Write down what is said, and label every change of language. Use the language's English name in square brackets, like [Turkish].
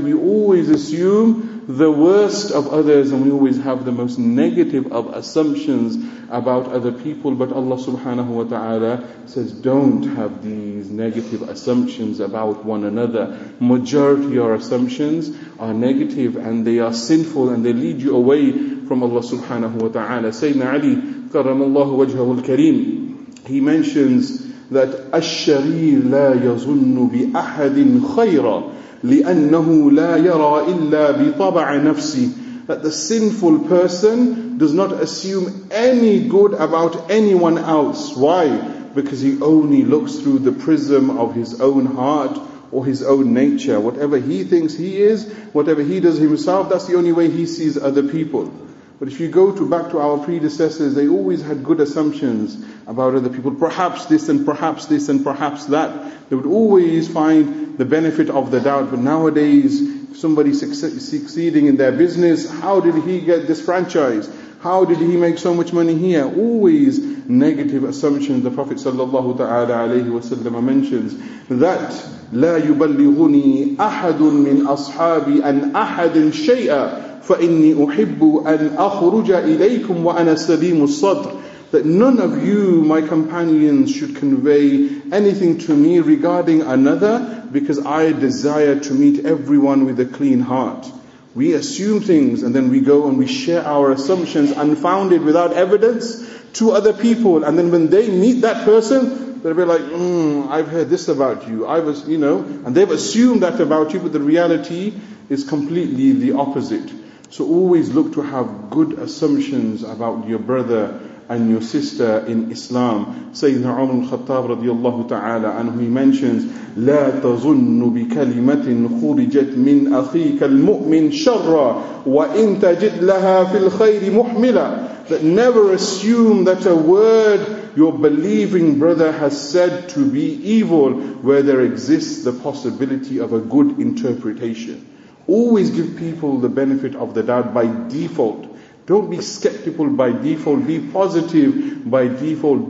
[English] We always assume the worst of others, and we always have the most negative of assumptions about other people. But Allah subhanahu wa ta'ala says, don't have these negative assumptions about one another. Majority of your assumptions are negative and they are sinful and they lead you away from Allah subhanahu wa ta'ala. Sayyidina Ali, karamallahu wajhahu al-kareem, he mentions that [Arabic] الشرير لا يظن بأحد خيرا لأنه لا يرى إلا بطبع نفسه. [English] That the sinful person does not assume any good about anyone else. Why? Because he only looks through the prism of his own heart or his own nature. Whatever he thinks he is, whatever he does himself, that's the only way he sees other people. But if you go to back to our predecessors, they always had good assumptions about other people. Perhaps this and perhaps this and perhaps that. They would always find the benefit of the doubt. But nowadays, if somebody succeeding in their business, how did he get this franchise? How did he make so much money here? Always negative assumptions. The Prophet sallallahu ta'ala alayhi wa sallam mentions that [Arabic] لا يبلغني أحد من أصحابي أن أحد شيئا فَإِنِّي أُحِبُّ أَنْ أَخْرُجَ إِلَيْكُمْ وَأَنَا سَلِيمُ الصَّدْرِ. [English] That none of you, my companions, should convey anything to me regarding another, because I desire to meet everyone with a clean heart. We assume things and then we go and we share our assumptions unfounded without evidence to other people. And then when they meet that person, they'll be like, I've heard this about you. And they've assumed that about you, but the reality is completely the opposite. So always look to have good assumptions about your brother and your sister in Islam. Sayyidina Umar al-Khattab radiyallahu ta'ala, and he mentions, [Arabic] لا تظن بكلمة خرجت من أخيك المؤمن شرا وإن تجد لها في الخير محملا. [English] That never assume that a word your believing brother has said to be evil where there exists the possibility of a good interpretation. Always give people the benefit of the doubt by default. Don't be skeptical by default. Be positive by default.